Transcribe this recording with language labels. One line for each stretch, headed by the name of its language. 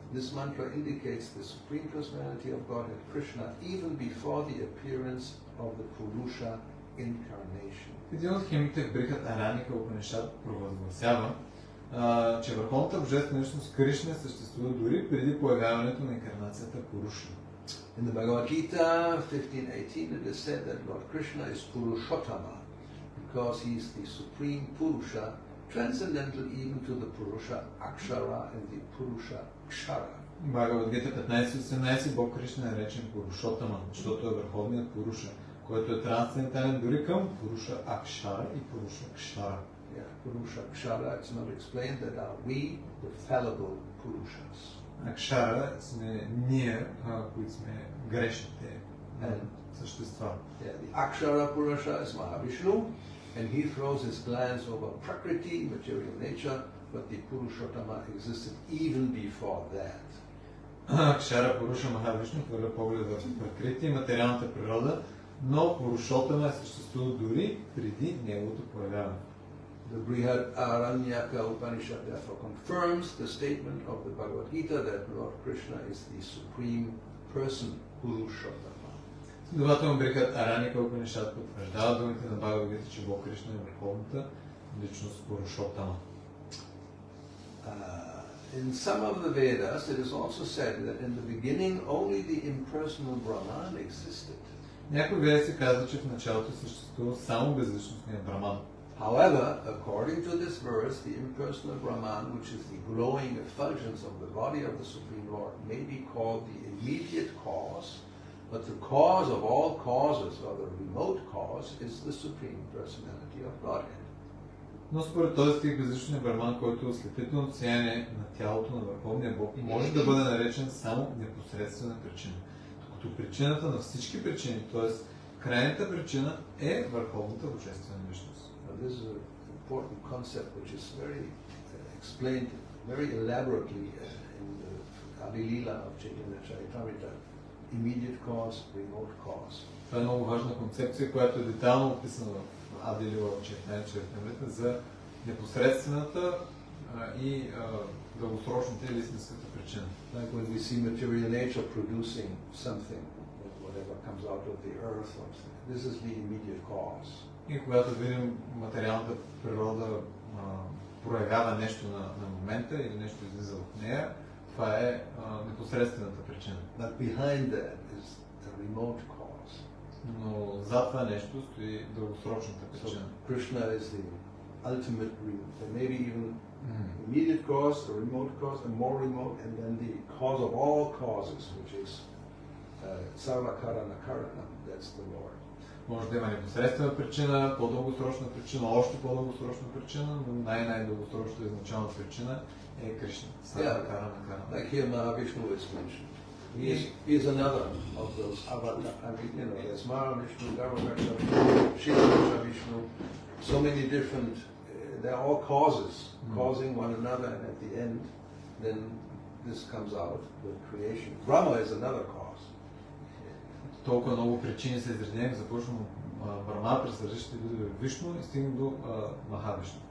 English: This mantra indicates the Supreme Personality of Godhead Krishna even before the appearance of the Purusha incarnation.
Bulgarian: Един от химите в Брихадараника Упанишад провъзгласява, че върховната божественост Кришна съществува дори преди появяването на инкарнацията Пуруша.
English: In the Bhagavad Gita 15.18 it is said that Lord Krishna is Purushottama because he is the supreme Purusha, transcendental even to the Purusha Akshara and the Purusha Kshara. In Bhagavad Gita 15.18
Bulgarian: Бог Кришна е речен Purushottama, защото е върховният Пуруша, който е трансцендентален дори към Purusha Akshara и Purusha Kshara.
English: Yeah, Purusha Kshara, it's not explained that are we the fallible Purushas.
Bulgarian: Акшара сме ние, които сме грешните същества. Акшара Пуруша е Махавишну,
English: and he throws his glance over prakriti, material nature, but the Purushottama existed even before that.
Bulgarian: Акшара Пуруша Махавишну хвърля поглед върху пракрити, материалната природа, но Пурушотама съществува дори преди неговото появяване.
English: The Brihadaranyaka Upanishad therefore confirms the statement of the Bhagavad Gita that Lord Krishna is the supreme person, Purushottama.
Bulgarian: Следователно Брихадараника Упанишад потвърждава думите на Бхагавад Гита, че Бог Кришна е върховната личност Пурушоттама.
English: In some of the Vedas it is also said that in the beginning only the impersonal Brahman existed.
Bulgarian: Някои веди се казва, че в началото съществувал само безличностният Брахман.
English: However, according to this verse, the impersonal Brahman, which is the glowing effulgence of the body of the Supreme Lord, may be called the immediate cause, but the cause of all causes, or the remote cause, is the Supreme Personality of Godhead.
Bulgarian: Но според този стих, безличният Брахман, който е ослепително сияние на тялото на Върховния Бог, може да бъде наречен само непосредствена причина. Като причината на всички причини, т.е. крайната причина е Върховната Божествена личност.
English: This is an important concept which is very explained very elaborately in the Abhilila of Chaitanya Charitamrita, immediate cause, remote cause.
Bulgarian: Това е много важна концепция, която е детално описана в Абхилила в Чайтанья Чаритамрита за непосредствената и дългосрочната или истинската причина.
English: Like when we see material nature producing something, whatever comes out of the earth, this is the immediate cause.
Bulgarian: И когато видим материалната природа проявява нещо на момента или нещо излиза от нея, това е непосредствената причина.
English: But behind that is the remote cause.
Bulgarian: Но за това нещо стои дългосрочната причина.
English: So Krishna is the ultimate remote, maybe even immediate cause, the remote cause, the more remote, and then the cause of all causes, which is Sarvakaranakarana, that's the Lord.
Bulgarian: Може да има непосредствена причина, по-дългосрочна причина, още по-дългосрочна причина, но най-дългосрочната изначална причина е Кришна. Сарвакаранакарана.
English: Like here Mahavishnu is mentioned. He is another of those avatars. I mean, you know, there's Mahavishnu, Garbhagraha, Shiva Mahavishnu, so many different, they're all causes, causing one another, and at the end, then this comes out with creation. Brahma is another cause.
Bulgarian: Толкова много причини са изредени, започвам Брахма през различните видове Вишну и стигнем до Махавишну.